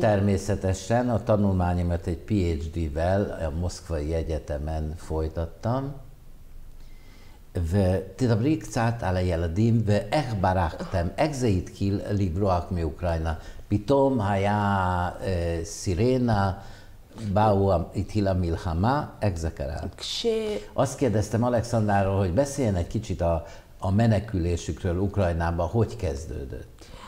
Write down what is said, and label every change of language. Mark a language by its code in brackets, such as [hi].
[hu] Természetesen a tanulmányomat egy PhD-vel a Moszkvai Egyetemen folytattam. [he] ותדברי קצת על הילדים ואיך ברחתם, איך זה התחיל לברוח מאוקראינה. פתאום היה סירנה, באו, התחילה מלחמה, איך זה קרה? [hu] Azt kérdeztem Alexandráról, hogy beszéljen egy kicsit a menekülésükről Ukrajnába, hogy kezdődött?